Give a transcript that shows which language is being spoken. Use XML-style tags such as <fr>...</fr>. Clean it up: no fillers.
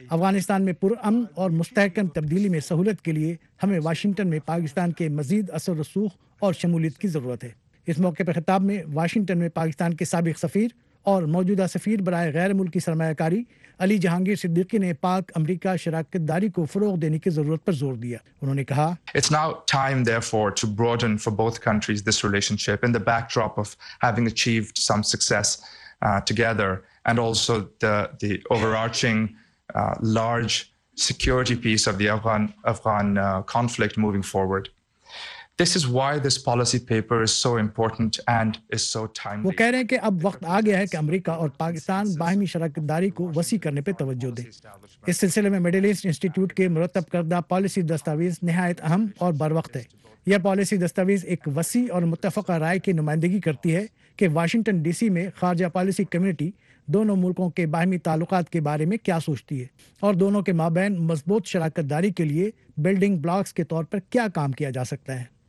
<ur>افغانستان میں پرامن اور مستحکم تبدیلی میں سہولت کے لیے ہمیں واشنگٹن میں پاکستان کے مزید اثر رسوخ اور شمولیت کی ضرورت ہے. اس موقع پر خطاب میں واشنگٹن میں پاکستان کے سابق سفیر اور موجودہ سفیر برائے غیر ملکی سرمایہ کاری علی جہانگیر صدیقی نے پاک امریکہ شراکت داری کو فروغ دینے کی ضرورت پر زور دیا. انہوں نے کہا,</ur> <en>It's now time therefore to broaden for both countries this relationship in the backdrop of having achieved some success together and also the overarching large security piece of the Afghan conflict moving forward. This is why this policy paper is so important and is so timely.</en> <ur>وہ کہہ رہے ہیں کہ اب وقت آ گیا ہے کہ امریکہ اور پاکستان باہمی شراکت داری کو وسیع کرنے پہ توجہ دیں. اس سلسلے میں مڈل ایسٹ انسٹیٹیوٹ کے مرتب کردہ پالیسی دستاویز نہایت اہم اور بر وقت ہے. یہ پالیسی دستاویز ایک وسیع اور متفقہ رائے کی نمائندگی کرتی ہے کہ واشنگٹن ڈی سی میں خارجہ پالیسی کمیونٹی دونوں ملکوں کے باہمی تعلقات کے بارے میں کیا سوچتی ہے اور دونوں کے مابین مضبوط شراکت داری کے لیے بلڈنگ بلاکس کے طور پر کیا کام کیا جا سکتا ہے.</ur>